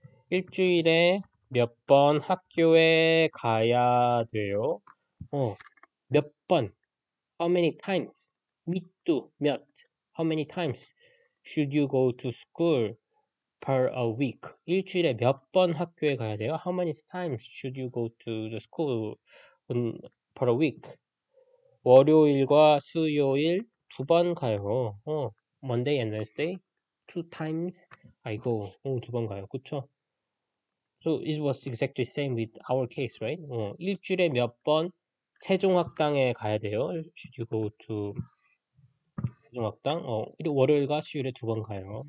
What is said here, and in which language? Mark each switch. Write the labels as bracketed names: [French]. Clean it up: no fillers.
[Korean] 일주일에 몇번 학교에 가야 돼요? 몇 번? [English] How many times? [Korean] 밑도 몇? [English] How many times should you go to school? per a week. [Korean] 일주일에 몇번 학교에 가야 돼요? [English] How many times should you go to the school on per week. [Korean] 월요일과 수요일 두번 가요. [English] Monday and Wednesday, two times I go. [Korean] 두번 가요. 그쵸? [English] So it was exactly same with our case, right? [Korean] 일주일에 몇번 세종학당에 가야 돼요? [English] Should you go to 세종학당? [Korean] 월요일과 수요일에 두번 가요.